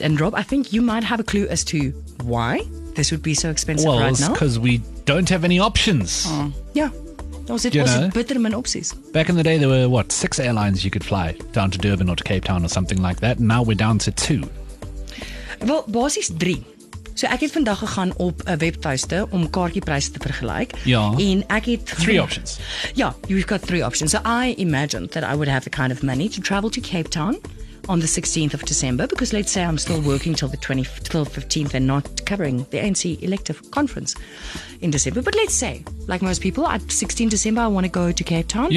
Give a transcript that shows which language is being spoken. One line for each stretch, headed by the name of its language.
English: And Rob, I think you might have a clue as to why this would be so expensive well, right now. Well, it's because we don't have any options. Oh. Yeah. Was it better than options? Back in the day, there were, what, 6 airlines you could fly down to Durban or to Cape Town or something like that. Now we're down to 2. Well, basis 3.
Afrikaans: So ek het vandag gegaan op 'n webtuiste om kaartjiepryse te vergelyk. Ja. En ek het
English: 3 options. Ja, you've got 3 options. So I imagined that I would have the kind of money to travel to Cape Town on the 16th of December, because let's say I'm still working till the 15th and not covering the ANC elective conference in December. But let's say, like most people, at 16 December I want to go to Cape Town.